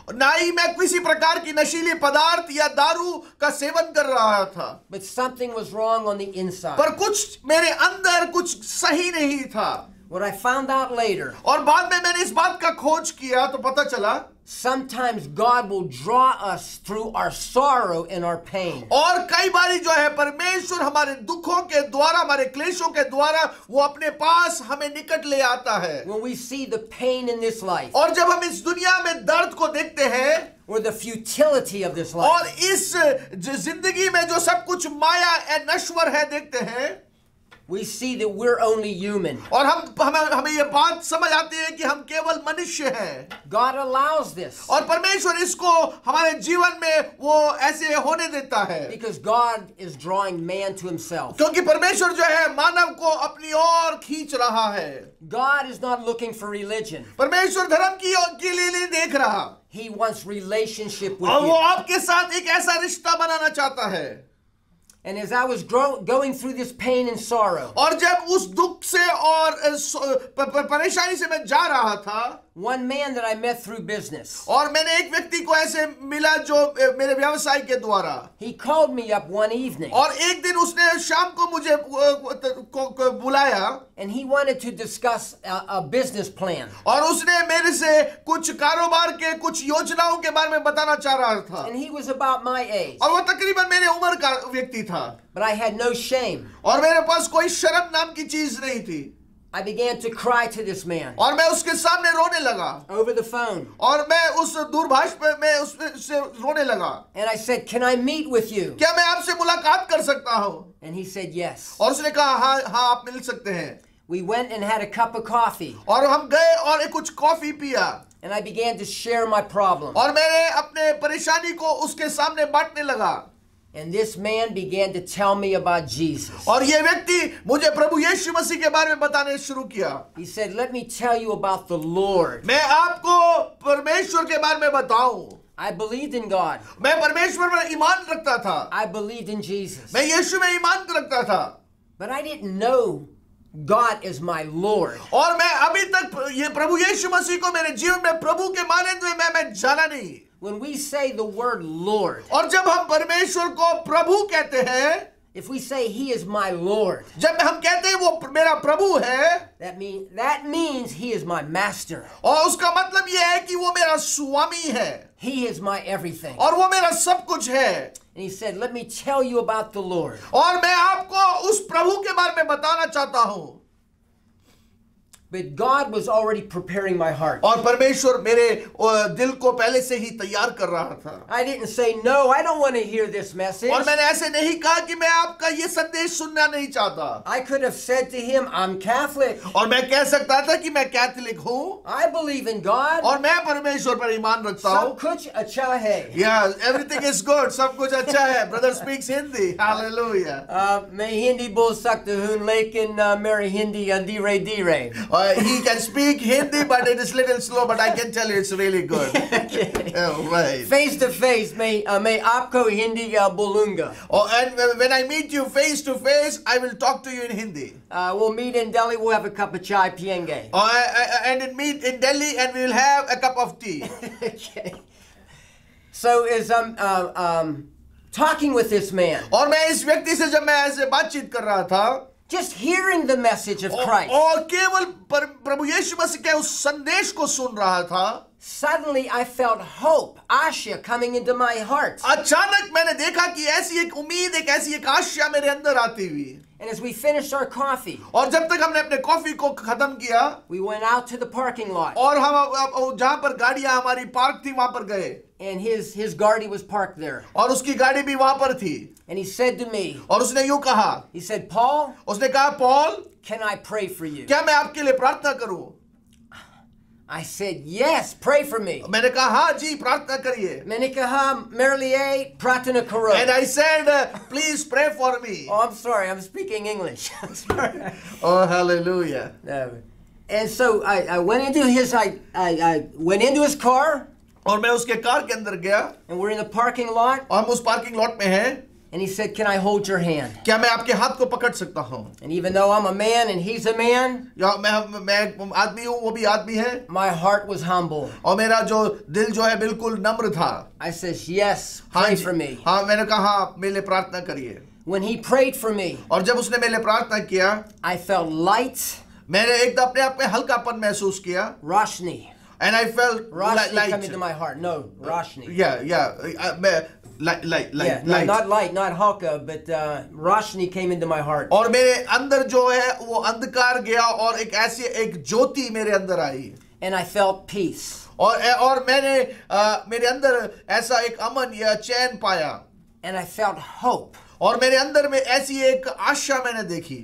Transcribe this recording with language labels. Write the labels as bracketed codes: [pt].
[hi] ना ही मैं किसी प्रकार की नशीली पदार्थ या दारू का सेवन कर रहा था. [en] But something was wrong on the inside. [hi] पर कुछ मेरे अंदर कुछ सही नहीं था. [en] What I found out later. [hi] और बाद में मैंने इस बात का खोज किया तो पता चला. [en] Sometimes God will draw us through our sorrow and our pain. [hi] और कई बारी जो है परमेश्वर हमारे दुखों के द्वारा, हमारे क्लेशों के द्वारा वो अपने पास हमें निकट ले आता है. [en] When we see the pain in this life. [hi] और जब हम इस दुनिया में दर्द को देखते हैं. [en] Or the futility of this life. [hi] और इस जिंदगी में जो सब कुछ माया और नश्वर है देखते हैं. [en] We see that we're only human. [hi] और हमें ये बात समझ आती है कि हम केवल मनुष्य हैं. [en] God allows this. [hi] और परमेश्वर इसको हमारे जीवन में वो ऐसे होने देता है. [en] Because God is drawing man to himself. [hi] क्योंकि परमेश्वर जो है मानव को अपनी ओर खींच रहा है. [en] God is not looking for religion. [hi] परमेश्वर धर्म की ओर के लिए नहीं देख रहा. [en] He wants relationship with you. [hi] और वो आपके साथ एक ऐसा रिश्ता बनाना चाहता है. [en] And as I was going through this pain and sorrow, [hi] और जब उस दुख से और परेशानी से मैं जा रहा था, [en] One man that I met through business. [hi] और मैंने एक व्यक्ति को ऐसे मिला जो मेरे व्यवसाय के द्वारा. [en] He called me up one evening. [hi] और एक दिन उसने शाम को मुझे बुलाया. [en] And he wanted to discuss a business plan. [hi] और उसने मेरे से कुछ कारोबार के कुछ योजनाओं के बारे में बताना चाह रहा था. [en] And he was about my age. [hi] और वो तकरीबन मेरे उम्र का व्यक्ति था. [en] But I had no shame. [hi] और मेरे पास कोई शर्म नाम की चीज नहीं थी. [en] I began to cry to this man. [hi] और मैं उसके सामने रोने लगा. [en] Over the phone. [hi] और मैं उस दूरभाष पे मैं उससे रोने लगा. [en] And I said, "Can I meet with you?" [hi] क्या मैं आपसे मुलाकात कर सकता हूँ? [en] And he said, "Yes." [hi] और उसने कहा, हाँ, हाँ, आप मिल सकते हैं. [en] We went and had a cup of coffee. [hi] और हम गए और एक कुछ कॉफी पिया. [en] And I began to share my problem. [hi] और मैं अपने परेशानी को उसके सामने बांटने लगा. [en] And this man began to tell me about Jesus. [hi] और ये व्यक्ति मुझे प्रभु यीशु मसीह के बारे में बताने शुरू किया. [en] He said, "Let me tell you about the Lord." [hi] मैं आपको परमेश्वर के बारे में बताऊं. [en] I believed in God. [hi] मैं परमेश्वर पर ईमान रखता था. [en] I believed in Jesus. [hi] मैं यीशु में ईमान रखता था. [en] But I didn't know God is my Lord. [hi] और मैं अभी तक ये प्रभु यीशु मसीह को मेरे जीवन में प्रभु के माने हुए मैं जाना नहीं. [en] When we say the word Lord, [hi] और जब हम परमेश्वर को प्रभु कहते हैं, [en] if we say He is my Lord, [hi] जब हम कहते हैं वो मेरा प्रभु है, [en] that means He is my master. [hi] और उसका मतलब ये है कि वो मेरा स्वामी है. [en] He is my everything. [hi] और वो मेरा सब कुछ है. [en] And he said, "Let me tell you about the Lord." [hi] और मैं आपको उस प्रभु के बारे में बताना चाहता हूँ. [en] But God was already preparing my heart. [hi] और परमेश्वर मेरे दिल को पहले से ही तैयार कर रहा था. [en] I didn't say no. I don't want to hear this message. [hi] और मैंने ऐसे नहीं कहा कि मैं आपका ये संदेश सुनना नहीं चाहता. [en] I could have said to him, "I'm Catholic." [hi] और मैं कह सकता था कि मैं कैथोलिक हूँ. [en] I believe in God. [hi] और मैं परमेश्वर पर ईमान रखता हूँ. सब कुछ अच्छा है. [en] Yeah, everything is good. [hi] सब कुछ अच्छा है. [en] Brother speaks Hindi. Hallelujah. [hi] मैं हिंदी बोल सकता हूँ, लेकिन मेरी हिंदी अंधेरे धीरे. [en] He can speak Hindi, but it is a little slow, but I can tell you it's really good. Okay. Right. Face to face, [hi] may aapko Hindi ya bolunga. [en] Oh, and when I meet you face to face, I will talk to you in Hindi. We'll meet in Delhi, we'll have a cup of [hi] chai piyenge. [en] And meet in Delhi and we'll have a cup of tea. Okay. So as I'm talking with this man. [hi] Aur main is vyakti se jab main aise baatcheet kar raha tha. [en] Just hearing the message of Christ. [hi] और केवल प्रभु यीशु मसीह के उस संदेश को सुन रहा था. [en] Suddenly I felt hope, Asha, coming into my heart. [hi] अचानक मैंने देखा कि ऐसी एक उम्मीद, एक ऐसी एक आशा मेरे अंदर आती हुई. [en] And as we finished our coffee, [hi] और जब तक हमने अपने कॉफी को खत्म किया, [en] we went out to the parking lot. [hi] और हम जहाँ पर गाड़ियाँ हमारी पार्क थी वहाँ पर गए. [en] And his गाड़ी was parked there. [hi] और उसकी गाड़ी भी वहाँ पर थी. [en] And he said to me. [hi] और उसने यूँ कहा. [en] He said, "Paul." [hi] उसने कहा, Paul. [en] Can I pray for you? [hi] क्या मैं आपके लिए प्रार्थना करूँ? [en] I said, "Yes, pray for me." [hi] मैंने कहा, हाँ जी, प्रार्थना करिए. मैंने कहा, मेरे लिए प्रार्थना करो. [en] And I said, "Please pray for me." Oh, I'm sorry, I'm speaking English. Oh, hallelujah. And so I went into his car. [hi] और मैं उसके कार के अंदर गया. [en] And we're in the parking lot. [hi] और हम उस पार्किंग लॉट में हैं. [en] And he said, "Can I hold your hand?" [hi] क्या मैं आपके हाथ को पकड़ सकता हूँ? [en] And even though I'm a man and he's a man, [hi] मैं आदमी हूँ, वो भी आदमी है. [en] My heart was humble. [hi] और मेरा जो दिल जो है बिल्कुल नम्र था. [en] I said, "Yes, pray for me." [hi] हाँ, मैंने कहा, मेरे लिए प्रार्थना करिए. [en] When he prayed for me, [hi] और जब उसने मेरे लिए प्रार्थना किया, [en] I felt light. [hi] मैंने एकदम अपने आप में हल्कापन महसूस किया. Roshni. [en] And I felt light. Roshni coming to my heart. No, Roshni. Roshni came into my heart. [hi] और मेरे अंदर जो है वो अंधकार गया और एक ऐसी एक ज्योति मेरे अंदर आई. [en] And I felt peace. [hi] और मैंने मेरे अंदर ऐसा एक अमन या चैन पाया. [en] And I felt hope. [hi] और मेरे अंदर में ऐसी एक आशा मैंने देखी.